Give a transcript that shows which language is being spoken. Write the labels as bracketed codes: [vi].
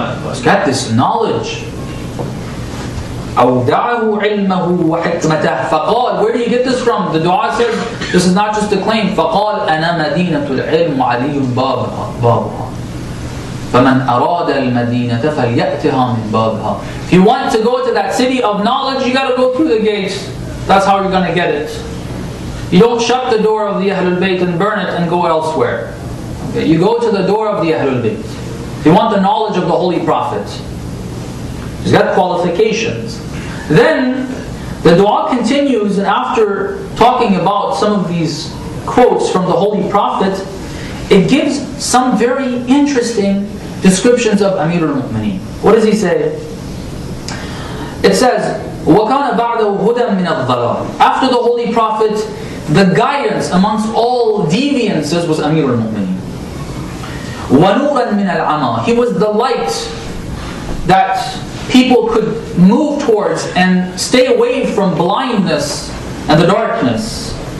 [en] He's got this knowledge. [ar] أودعه علمه وحكمته فقال, [en] where do you get this from? The dua says, this is not just a claim. [ar] فقال أنا مدينة العلم علي بابها فمن أراد المدينة فليأتها من بابها. [en] If you want to go to that city of knowledge, you gotta go through the gates. That's how you're gonna get it. You don't shut the door of the Ahlul Bayt and burn it and go elsewhere. Okay, you go to the door of the Ahlul Bayt. If you want the knowledge of the Holy Prophet, he's got qualifications. Then the dua continues, and after talking about some of these quotes from the Holy Prophet, it gives some very interesting descriptions of Amir al-Mu'mineen. What does he say? It says, [ar] وَكَانَ بَعْدَهُ هُدًى مِنَ الظَّلَامِ. [en] After the Holy Prophet, the guidance amongst all deviances was Amir al-Mu'mineen. [ar] وَنُورًا مِنَ الْعَمَى. [en] He was the light that people could move towards and stay away from blindness and the darkness.